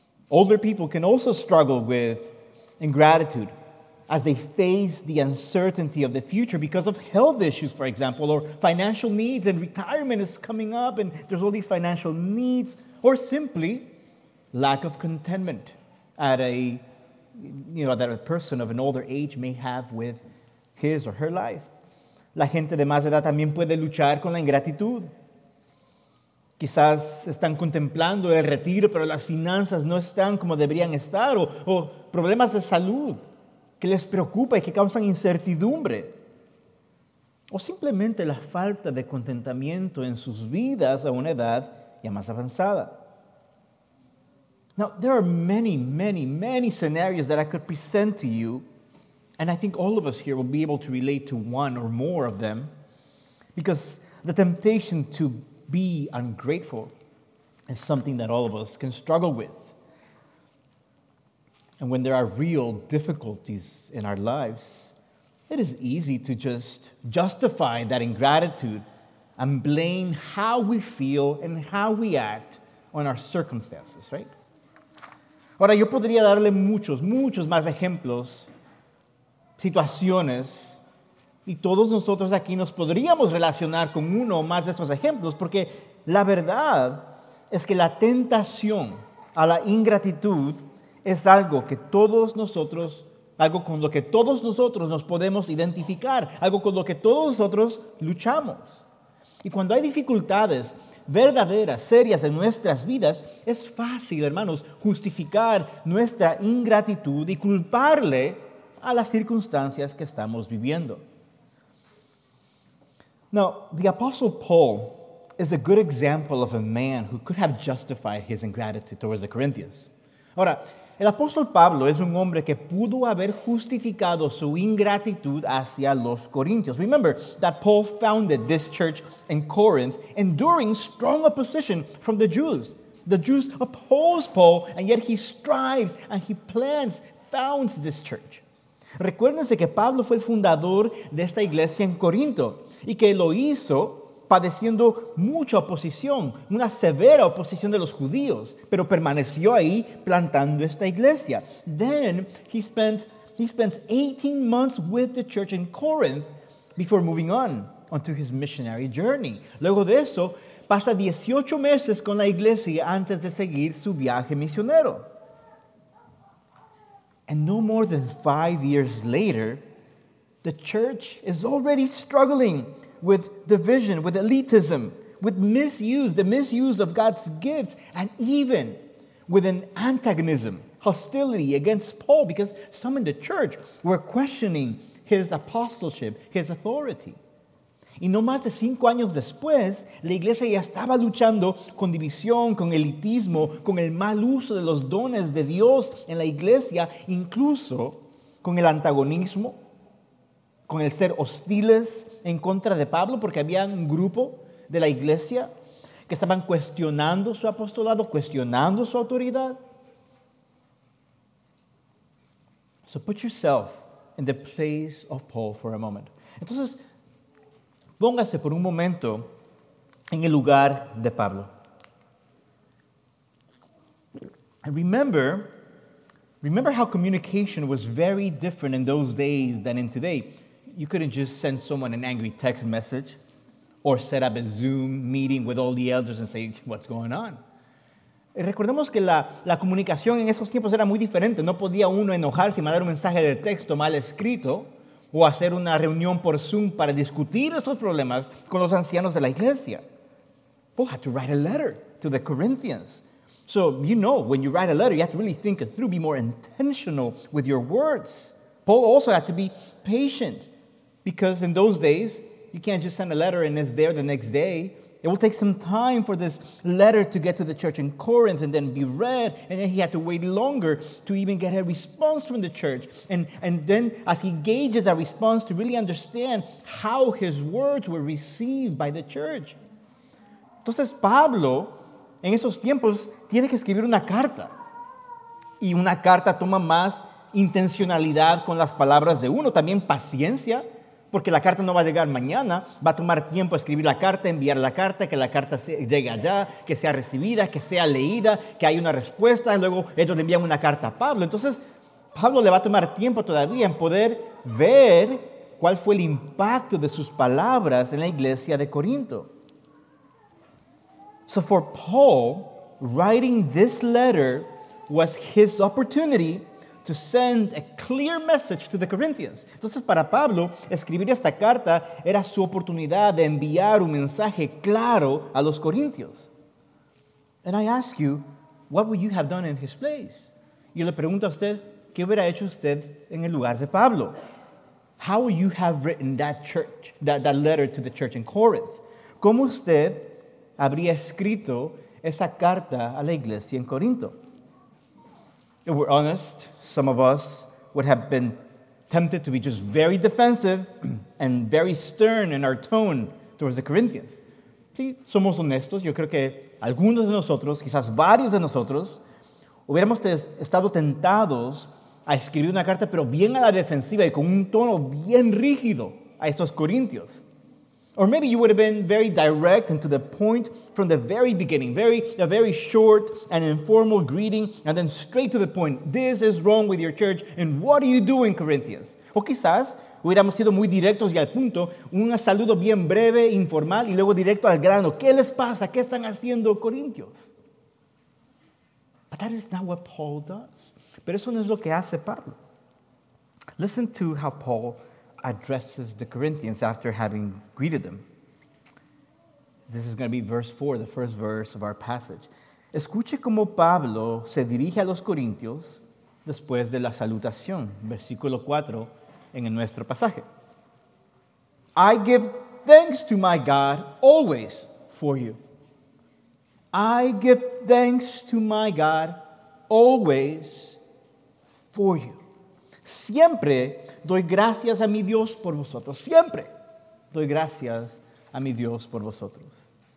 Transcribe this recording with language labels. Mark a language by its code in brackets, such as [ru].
[en] Older people can also struggle with ingratitude as they face the uncertainty of the future because of health issues, for example, or financial needs, and retirement is coming up, and there's all these financial needs, or simply lack of contentment that a person of an older age may have with his or her life. [es] La gente de más edad también puede luchar con la ingratitud. Quizás están contemplando el retiro, pero las finanzas no están como deberían estar. O problemas de salud que les preocupa y que causan incertidumbre. O simplemente la falta de contentamiento en sus vidas a una edad ya más avanzada. [en] Now, there are many, many, many scenarios that I could present to you. And I think all of us here will be able to relate to one or more of them because the temptation to be ungrateful is something that all of us can struggle with. And when there are real difficulties in our lives, it is easy to just justify that ingratitude and blame how we feel and how we act on our circumstances, right? [es] Ahora, yo podría darle muchos, muchos más ejemplos, situaciones, y todos nosotros aquí nos podríamos relacionar con uno o más de estos ejemplos, porque la verdad es que la tentación a la ingratitud es algo que todos nosotros, algo con lo que todos nosotros nos podemos identificar, algo con lo que todos nosotros luchamos. Y cuando hay dificultades verdaderas, serias en nuestras vidas, es fácil, hermanos, justificar nuestra ingratitud y culparle a las circunstancias que estamos viviendo. [en] Now, the Apostle Paul is a good example of a man who could have justified his ingratitude towards the Corinthians. [es] Ahora, el apóstol Pablo es un hombre que pudo haber justificado su ingratitud hacia los corintios. [en] Remember that Paul founded this church in Corinth, enduring strong opposition from the Jews. The Jews oppose Paul, and yet he strives and he plans, founds this church. [es] Recuérdense que Pablo fue el fundador de esta iglesia en Corinto y que lo hizo padeciendo mucha oposición, una severa oposición de los judíos, pero permaneció ahí plantando esta iglesia. [en] Then he spends 18 months with the church in Corinth before moving onto his missionary journey. [es] Luego de eso, pasa 18 meses con la iglesia antes de seguir su viaje misionero. [en] And no more than 5 years later, the church is already struggling with division, with elitism, with misuse, the misuse of God's gifts, and even with an antagonism, hostility against Paul, because some in the church were questioning his apostleship, his authority. [es] Y no más de 5 años después, la iglesia ya estaba luchando con división, con elitismo, con el mal uso de los dones de Dios en la iglesia, incluso con el antagonismo, con el ser hostiles en contra de Pablo, porque había un grupo de la iglesia que estaban cuestionando su apostolado, cuestionando su autoridad. [en] So put yourself in the place of Paul for a moment. [es] Entonces, póngase por un momento en el lugar de Pablo. [en] And remember how communication was very different in those days than in today. You couldn't just send someone an angry text message or set up a Zoom meeting with all the elders and say, what's going on? [es] Y recordemos que la comunicación en esos tiempos era muy diferente. No podía uno enojarse y mandar un mensaje de texto mal escrito o hacer una reunión por Zoom para discutir estos problemas con los ancianos de la iglesia. [en] Paul had to write a letter to the Corinthians. So, you know, when you write a letter, you have to really think it through, be more intentional with your words. Paul also had to be patient, because in those days, you can't just send a letter and it's there the next day. It will take some time for this letter to get to the church in Corinth and then be read, and then he had to wait longer to even get a response from the church. And then as he gauges a response to really understand how his words were received by the church. [es] Entonces Pablo, en esos tiempos, tiene que escribir una carta. Y una carta toma más intencionalidad con las palabras de uno, también paciencia, porque la carta no va a llegar mañana, va a tomar tiempo escribir la carta, enviar la carta, que la carta llegue allá, que sea recibida, que sea leída, que haya una respuesta, y luego ellos le envían una carta a Pablo. Entonces, Pablo le va a tomar tiempo todavía en poder ver cuál fue el impacto de sus palabras en la iglesia de Corinto. [en] So for Paul, writing this letter was his opportunity to send a clear message to the Corinthians. [es] Entonces, para Pablo, escribir esta carta era su oportunidad de enviar un mensaje claro a los corintios. [en] And I ask you, what would you have done in his place? [es] Yo le pregunto a usted, ¿qué hubiera hecho usted en el lugar de Pablo? [en] How would you have written that church, that letter to the church in Corinth? [es] ¿Cómo usted habría escrito esa carta a la iglesia en Corinto? [en] If we're honest, some of us would have been tempted to be just very defensive and very stern in our tone towards the Corinthians. [es] Sí, somos honestos. Yo creo que algunos de nosotros, quizás varios de nosotros, hubiéramos estado tentados a escribir una carta, pero bien a la defensiva y con un tono bien rígido a estos corintios. [en] Or maybe you would have been very direct and to the point from the very beginning, a very short and informal greeting, and then straight to the point. This is wrong with your church, and what are you doing, Corinthians? [es] O quizás hubiéramos sido muy directos y al punto, un saludo bien breve, informal, y luego directo al grano. ¿Qué les pasa? ¿Qué están haciendo, Corintios? [en] But that is not what Paul does. [es] Pero eso no es lo que hace Pablo. [en] Listen to how Paul addresses the Corinthians after having greeted them. This is going to be verse 4, the first verse of our passage. [es] Escuche cómo Pablo se dirige a los Corintios después de la salutación. Versículo 4 en nuestro pasaje. [en] I give thanks to my God always for you. I give thanks to my God always for you. [es] Siempre doy gracias a mi Dios por vosotros. Siempre doy gracias a mi Dios por vosotros.